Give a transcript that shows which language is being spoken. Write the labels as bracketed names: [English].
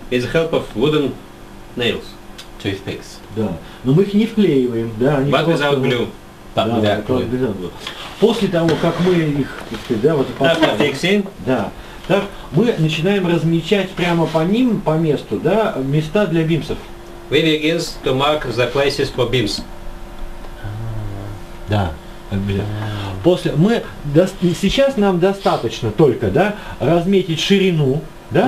[English] With the help of wooden nails. Toothpicks. [Russian] Да. Но мы их не вклеиваем, да? Они [English] But [Russian] просто... [English] without glue. [Russian] Да, после того, как мы их, поставим, да, так, мы начинаем размечать прямо по ним, по месту, да, места для бимсов. [English] We begin to mark the places for beams. [Russian] Да. После мы сейчас нам достаточно только, да, разметить ширину, да,